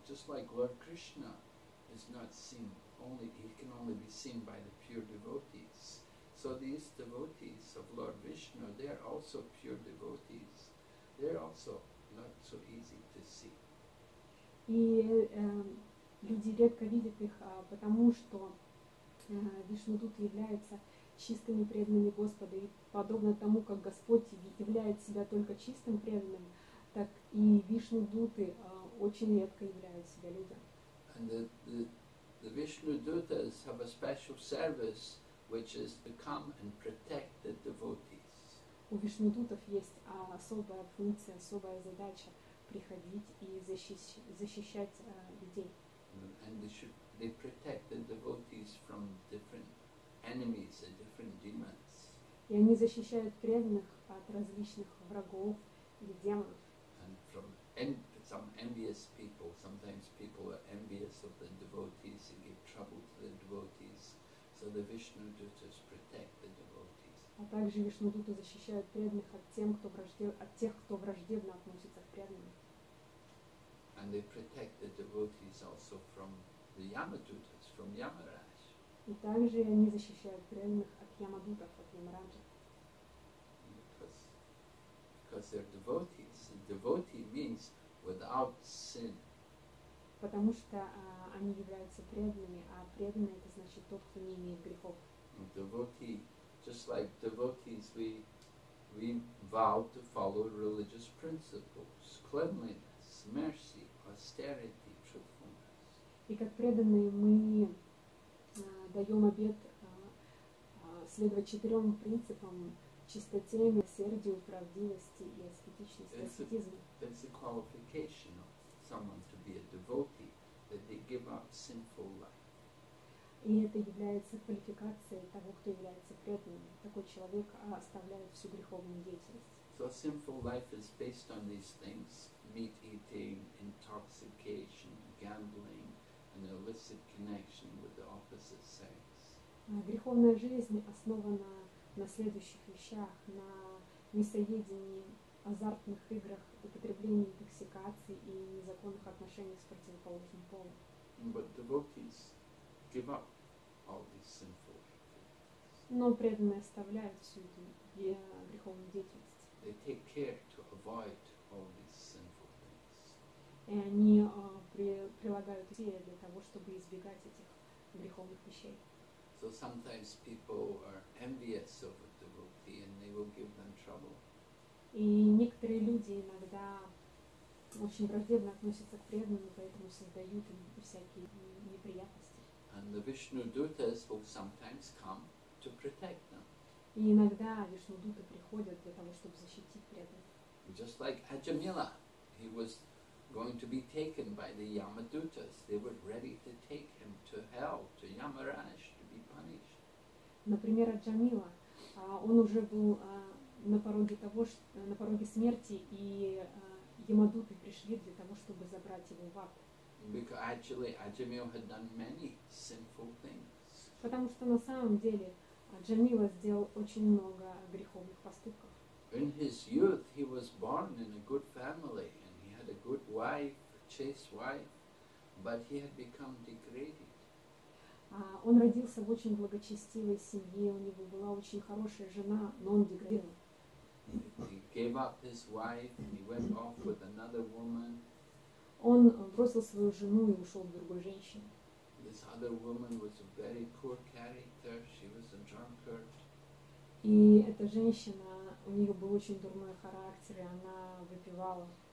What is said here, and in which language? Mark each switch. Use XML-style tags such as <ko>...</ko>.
<en>Just like Lord Krishna is not seen, he can only be seen by the pure devotees. So these devotees of Lord Vishnu, they are also pure devotees. They're also not so easy to see.</en> <ru>И люди редко видят их, потому что Вишну тут является чистыми преданными Господа. И подобно тому, как Господь являет себя только чистым преданным, так и Вишну-дуты очень редко являют себя людям.</ru> <en>And the Vishnu-dutas have a special service, which is to come and protect the devotees.</en> <ru>У Вишну-дутов есть особая функция, особая задача приходить и защищать людей.</ru> <en>And they protect the devotees from different enemies and different demons.</en> <ru>И они защищают преданных от различных врагов и демонов.</ru> <en>From some envious people, sometimes people are envious of the devotees and give trouble to the devotees. So the Vishnu dutas protect the devotees.</en> <ru>От также Вишнудута защищают преданных от тем, кто враждеб... от тех, кто враждебно относится к преданным.</ru> <en>And they protect the devotees also from the Yamadutas, from Yamaraj.</en> <ru>И также они защищают преданных от Ямадутов, от Ямараджа.</ru> <en>Because they're devotees. A devotee means without sin.</en> <ru>Потому что они являются преданными, а преданный — это значит тот, кто не имеет грехов.</ru> <en>A devotee, just like devotees, we vow to follow religious principles: cleanliness, mercy, austerity, truthfulness.</en> <ru>И как преданные мы даем обет следовать четырем принципам: чистоте, милосердию, правдивости и аскетичности, аскетизму.</ru> <en>That's a qualification of someone to be a devotee, that they give up sinful life.</en> <ru>И это является квалификацией того, кто является преданным. Такой человек оставляет всю греховную деятельность.</ru> <en>So sinful life is based on these things: meat eating, intoxication, gambling, and illicit connection with the opposite sex.</en> <ru>Греховная жизнь основана на следующих вещах: на мясоедении, азартных играх, употреблении интоксикации и незаконных отношениях с противоположным полом.</ru> <en>But devotees give up all these sinful things.</en> <ru>Но преданные оставляют всю эту греховную деятельность.</ru> <en>They take care to avoid all these sinful things.</en> <ru>И они прилагают усилия для того, чтобы избегать этих греховных вещей.</ru> <en>So sometimes people are envious of a devotee and they will give them trouble.</en> <ru>И некоторые люди иногда очень враждебно относятся к преданным, поэтому создают им всякие неприятности.</ru> <en>And the Vishnu Dutas will sometimes come to protect them.</en> <ru>И иногда Вишну Дуты приходят для того, чтобы защитить преданных.</ru> <en>Just like Ajamila, he was going to be taken by the Yamadutas. They were ready to take him to hell, to Yamaraj, to be punished.</en> <ru>Например, Аджамила, он уже был на пороге того, на пороге смерти, и Ямадуты пришли для того, чтобы забрать его в ад.</ru> <en>Because actually Ajamil had done many sinful things.</en> <ru>Потому что на самом деле Аджамила сделал очень много греховных поступков.</ru> <en>In his youth he was born in a good family and he had a good wife, a chaste wife, but he had become degraded.</en> <ru>Он родился в очень благочестивой семье, у него была очень хорошая жена, но он деградировал.</ru> <en>He gave up his wife and he went off with another woman.</en> <ru>Он бросил свою жену и ушел к другой женщине.</ru> <en>This other woman was a very poor character. She was a drunkard.</en> <ru>И эта женщина, у нее был очень дурной характер, и она выпивала.</ru>